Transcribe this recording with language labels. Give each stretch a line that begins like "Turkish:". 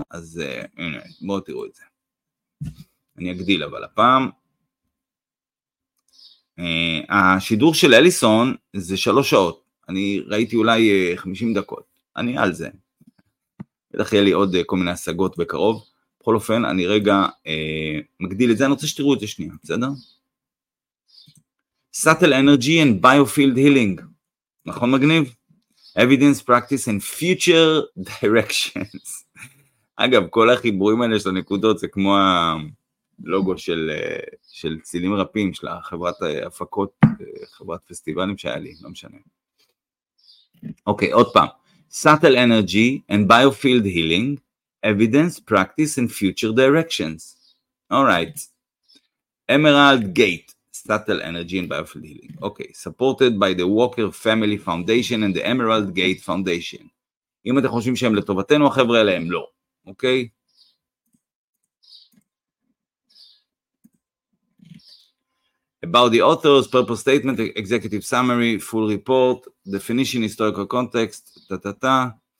Hebrew: אז הנה, בואו תראו את זה. אני אגדיל אבל הפעם, השידור של אליסון זה 3 שעות, אני ראיתי אולי 50 דקות, אני על זה, בטח יהיה לי עוד כל מיני השגות בקרוב, בכל אופן אני רגע מגדיל את זה, אני רוצה שתראו את זה שנייה, בסדר?
English: Subtle energy and biofield healing,
Hebrew: נכון מגניב?
English: Evidence, practice and future directions.
Hebrew: אגב, כל החיבורים האלה של הנקודות זה כמו ה... לוגו של צילים רפים של חברת הפקות, חברת פסטיבלים שהיה לי, לא משנה. אוקיי, עוד פעם.
English: Subtle energy and biofield healing, evidence, practice and future directions. All right. Emerald Gate, subtle energy and biofield healing. אוקיי, supported by the Walker Family Foundation and the Emerald Gate Foundation.
Hebrew: אם אתם חושבים שהם לטובתנו החבר'ה אלה, הם לא. אוקיי?
English: About the author's purpose statement, executive summary, full report, definition, historical context, ta-ta-ta.